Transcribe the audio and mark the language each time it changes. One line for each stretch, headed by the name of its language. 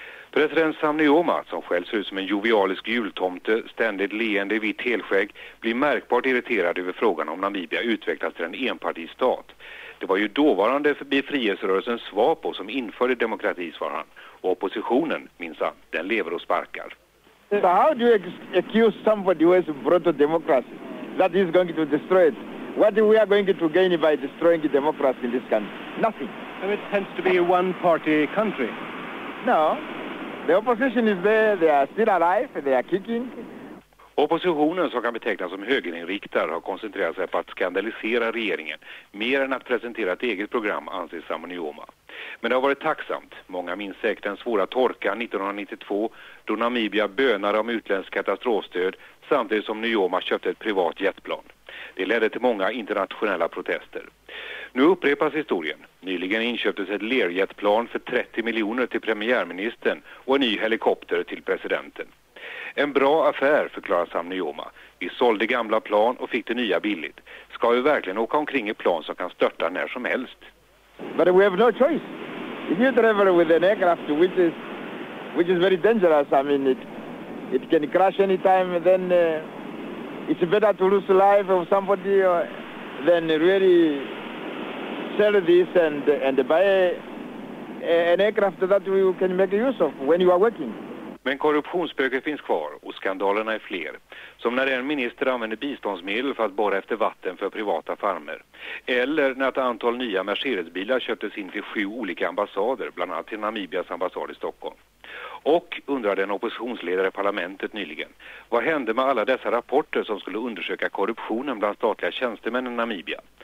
Swedish: President Sam Nujoma, som själv ser ut som en jovialisk jultomte, ständigt leende i vitt helskägg, blir märkbart irriterad över frågan om Namibia utvecklas till en enpartistat. Det var ju dåvarande befrielserörelsen SWAPO som införde demokrati, svarar han. Och oppositionen, minns han, den lever och sparkar.
English: So how do you accuse somebody who has brought a democracy that is going to destroy it? What we are going to gain by destroying democracy in this country? Nothing. So it tends to be a one-party country? No. The opposition is there, they are still alive, they are kicking.
Swedish: Oppositionen, som kan betecknas som högerinriktad, har koncentrerat sig på att skandalisera regeringen mer än att presentera ett eget program, anser Sam Nujoma. Men det har varit tacksamt. Många minns säkert den svåra torka 1992 då Namibia bönade om utländsk katastrofstöd samtidigt som Nujoma köpte ett privat jetplan. Det ledde till många internationella protester. Nu upprepas historien. Nyligen inköptes ett lerjetplan för 30 miljoner till premiärministern och en ny helikopter till presidenten. En bra affär, förklarar Sam Nujoma. Vi sålde gamla plan och fick det nya billigt. Ska vi verkligen åka omkring i plan som kan störta när som helst?
English: But we have no choice. If you travel with an aircraft which is very dangerous, I mean it can crash any time, then it's better to lose life of somebody than really sell this and buy an aircraft that we can make use of when you are working.
Swedish: Men korruptionsspöket finns kvar och skandalerna är fler. Som när en minister använder biståndsmedel för att borra efter vatten för privata farmer. Eller när ett antal nya Mercedesbilar köptes in till 7 olika ambassader, bland annat till Namibias ambassad i Stockholm. Och undrade en oppositionsledare i parlamentet nyligen. Vad hände med alla dessa rapporter som skulle undersöka korruptionen bland statliga tjänstemän i Namibia?